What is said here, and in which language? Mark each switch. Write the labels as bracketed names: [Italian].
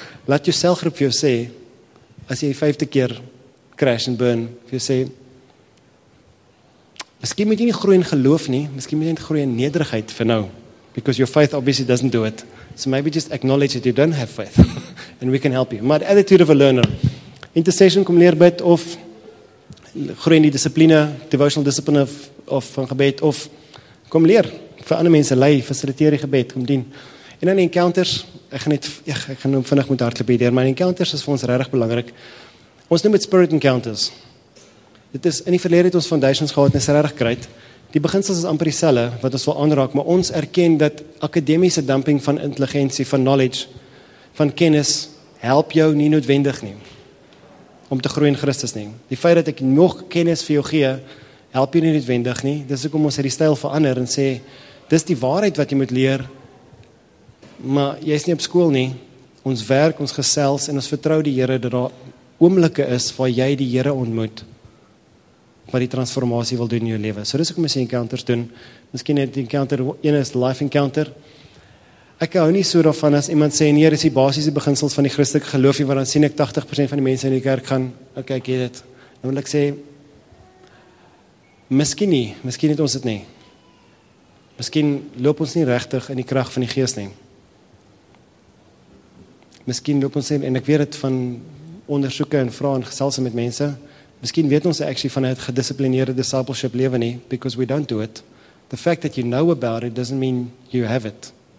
[Afrikaans] Laat jou selfgroep vir jou sê as jy 5de keer [English] crash and burn, [Afrikaans] vir jou sê miskien moet jy nie groei in geloof nie, miskien moet jy net groei in nederigheid vir nou. [English] Because your faith obviously doesn't do it. So maybe just acknowledge that you don't have faith and we can help you. [Afrikaans] Maar [English] attitude of a learner. [Afrikaans] Intercession kom leer bid of groei in die dissipline, devotional discipline of van gebed of kom leer vir ander mense lei, fasiliteer die gebed, kom dien. En dan encounters, ek gaan vinnig moet hardloop hier, maar encounters is vir ons regtig belangrik. Ons noem dit spirit encounters. Dit is in die verlede het ons foundations gehad en is regtig great. Die beginsels is amper dieselfde wat ons wil aanraak, maar ons erken dat akademiese dumping van intelligentie, van knowledge, van kennis help jou nie noodwendig nie om te groei in Christus nie. Die feit dat ek nog kennis vir jou gee, help jou nie noodwendig nie. Dis hoekom ons hierdie styl verander en sê dis die waarheid wat jy moet leer. Maar jy is nie op skool nie. Ons werk, ons gesels en ons vertrou die Here dat daar oomblikke is waar jy die Here ontmoet. Wat die transformatie wil doen in jou lewe. So dis ek mis encounters doen. Miskien net die encounter, een is life encounter. Ek hou nie so daarvan as iemand sê, nee, dis die basiese beginsels van die Christelike geloof, waar dan sien ek 80% van die mense in die kerk gaan, okay, ek het dit. Dan wil ek sê, miskien nie, miskien het ons dit nie. Miskien loop ons nie regtig in die krag van die gees nie. Miskien loop ons, en ek weet het van ondersoeke en vrae en geselsing met mense, miskien weet ons actually van het gedisciplineerde discipleship leven nie, [English] because we don't do it. The fact that you know about it doesn't mean you have it.